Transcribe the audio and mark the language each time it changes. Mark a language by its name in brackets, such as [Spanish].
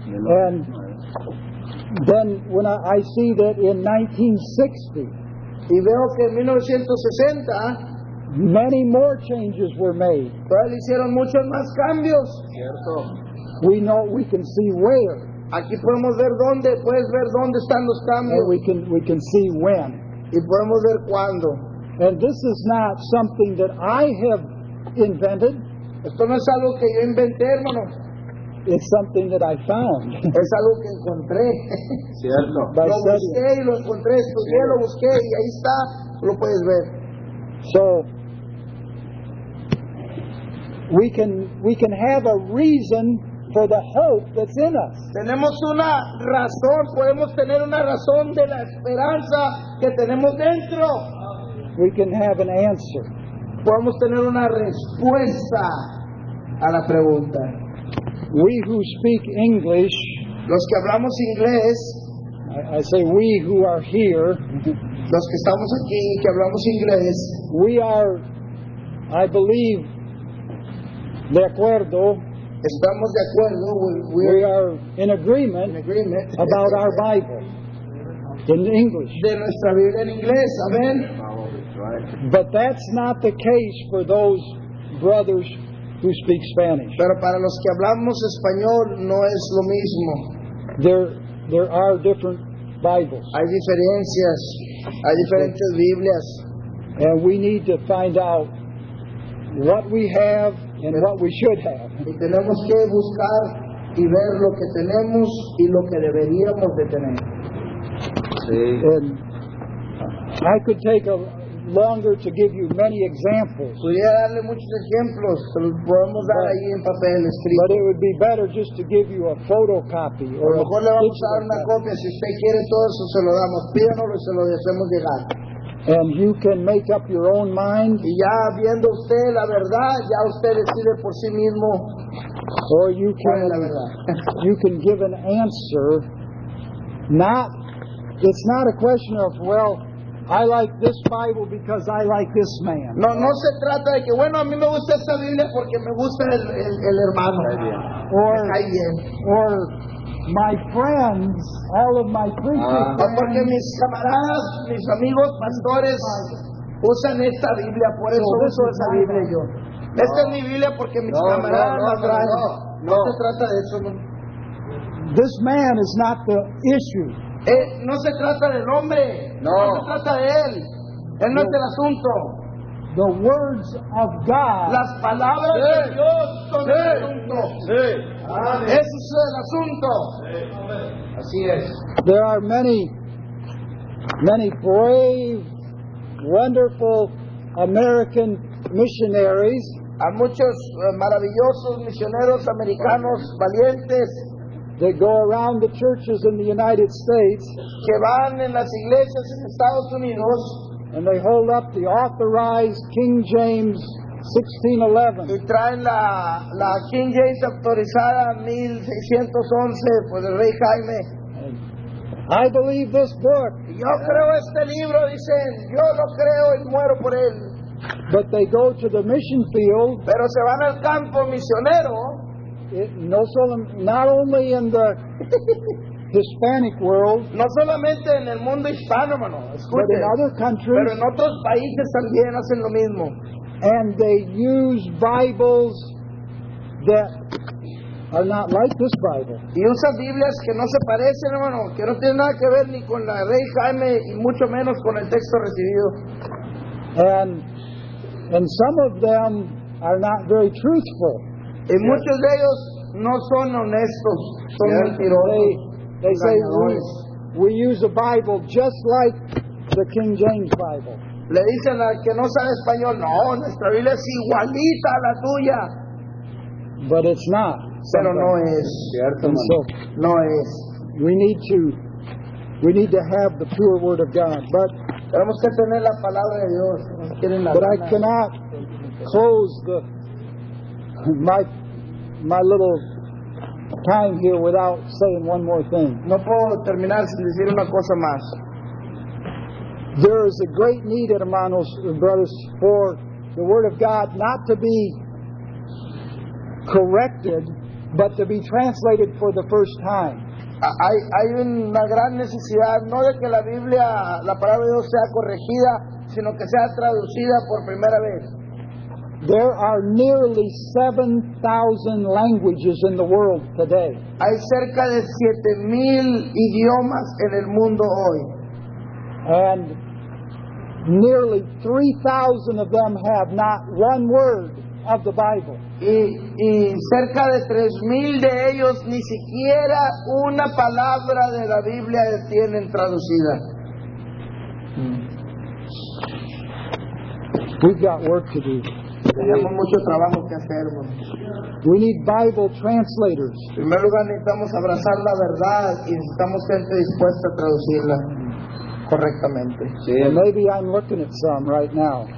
[English] And then when I see that in 1960, [Spanish] y veo que en 1960, [English] many more changes were made. [Spanish] Pero hicieron muchos más cambios. Cierto. [English] We know, we can see where. [Spanish] Aquí podemos ver dónde, puedes ver dónde están los cambios. [English] And we can see when. [Spanish] Y podemos ver cuándo. [English] And this is not something that I have invented. [Spanish] Esto no es algo que yo inventé, hermano. [English] It's something that I found. [Spanish] Es algo que encontré. Cierto. By lo studying. Busqué y lo encontré. Estudié, lo busqué y ahí está. Lo puedes ver. [English] So we can have a reason for the hope that's in us. [Spanish] Tenemos una razón. Podemos tener una razón de la esperanza que tenemos dentro. [English] We can have an answer. [Spanish] Podemos tener una respuesta a la pregunta. [English] We who speak English, [Spanish] los que hablamos inglés, [English] I say we who are here, [Spanish] los que estamos aquí que hablamos inglés, [English] we are, I believe, [Spanish] de acuerdo. Estamos de acuerdo. [English] We are in agreement about our Bible in English. [Spanish] De nuestra Biblia en inglés, amén. [English] But that's not the case for those brothers who speak Spanish. [Spanish] Pero para los que hablamos español no es lo mismo. [English] There are different Bibles. [Spanish] Hay diferencias. Hay diferentes Biblias. [English] And we need to find out what we have and what we should have. [Spanish] Y tenemos que buscar y ver lo que tenemos y lo que deberíamos de tener. Sí. [English] And I could take a longer to give you many examples. [Spanish] Pudiera darle muchos ejemplos, que los podemos dar ahí en papel escrito. [English] But it would be better just to give you a photocopy. [Spanish] O mejor le vamos a dar una copia. Si usted quiere todo eso, se lo damos. Pídanoslo y se lo hacemos llegar. [English] And you can make up your own mind. [Spanish] Y ya viendo usted la verdad, ya usted decide por sí mismo. [English] Or you can give an answer. It's not a question of, well, I like this Bible because I like this man. [Spanish] No, no se trata de que, bueno, a mí me gusta esta Biblia porque me gusta el hermano. [English] Or my friends, all of my preachers. [Spanish] No, porque mis camaradas, mis amigos, pastores, usan esta Biblia, por eso uso esa Biblia yo. Esta es mi Biblia porque mis camaradas la traen. No se trata de eso, no. [English] This man is not the issue. [Spanish] No se trata del hombre. No. No se trata de él. Él no es el asunto. The words of God. Las palabras de Dios son el asunto. Sí. Ese es el asunto. Sí. Así es. [English] There are many, many brave, wonderful American missionaries. [Spanish] A muchos maravillosos misioneros americanos valientes. [English] They go around the churches in the United States, [Spanish] que van en las iglesias en Estados Unidos, [English] and they hold up the authorized King James 1611. [Spanish] Y traen la King James autorizada 1611, pues el rey Jaime. [English] I believe this book. [Spanish] Yo creo este libro, dicen. Yo lo creo y muero por él. [English] But they go to the mission field. [Spanish] Pero se van al campo misionero. [English] Not only in the Hispanic world, [Spanish] no solamente en el mundo hispano, mano, [English] but in other countries, [Spanish] pero en otros países también hacen lo mismo. [English] And they use Bibles that are not like this Bible. [Spanish] Y usan Biblias que no se parecen, hermano, que no tienen nada que ver ni con la Rey Jaime y mucho menos con el texto recibido. [English] And some of them are not very truthful. [Spanish] Y muchos de ellos no son honestos, son mentirosos. [English] They say we use a Bible just like the King James Bible. [Spanish] Le dicen al que no sabe español, no, nuestra Biblia es igualita a la tuya. [English] But it's not. [Spanish] Pero no es. Cierto, [English] so, [Spanish] no es. [English] We need to have the pure Word of God. But [Spanish] tenemos que tener la palabra de Dios. [English] But I cannot close my little time here without saying one more thing. [Spanish] No puedo terminar sin decir una cosa más. [English] There is a great need, hermanos and brothers, for the Word of God not to be corrected, but to be translated for the first time. [Spanish] Hay una gran necesidad, no de que la Biblia, la palabra de Dios sea corregida, sino que sea traducida por primera vez. [English] There are nearly 7,000 languages in the world today. [Spanish] Hay cerca de 7,000 idiomas en el mundo hoy. [English] And nearly 3,000 of them have not one word of the Bible. [Spanish] Y cerca de 3,000 de ellos ni siquiera una palabra de la Biblia tienen traducida. [English] We've got work to do. [Spanish] Tenemos mucho trabajo que hacer, hermano. [English] We need Bible translators. [Spanish] En primer lugar, necesitamos abrazar la verdad y necesitamos gente dispuesta a traducirla correctamente. Sí. [English] Well, maybe I'm looking at some right now.